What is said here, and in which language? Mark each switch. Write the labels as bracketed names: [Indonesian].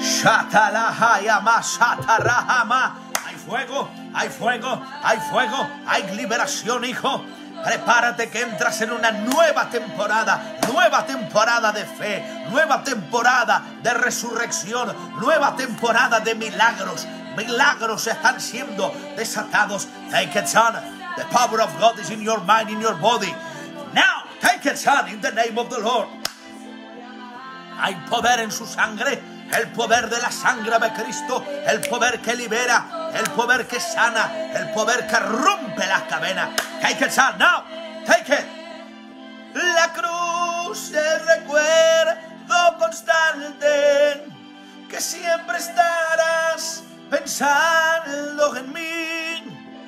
[Spanish] ¡Shatalahayama, shatarahama! ¡Hay fuego, hay fuego, hay fuego! ¡Hay liberación, hijo! Prepárate que entras en una nueva temporada de fe, nueva temporada de resurrección, nueva temporada de milagros. Milagros están siendo desatados. [English] Take it, son. The power of God is in your mind, in your body. Now, take it, son, in the name of the Lord. [Spanish] Hay poder en su sangre, el poder de la sangre de Cristo, el poder que libera, el poder que sana, el poder que rompe las cadenas. [English] Take it, son, now, take it. [Spanish] La cruz es recuerdo constante, que siempre estarás pensando en mí.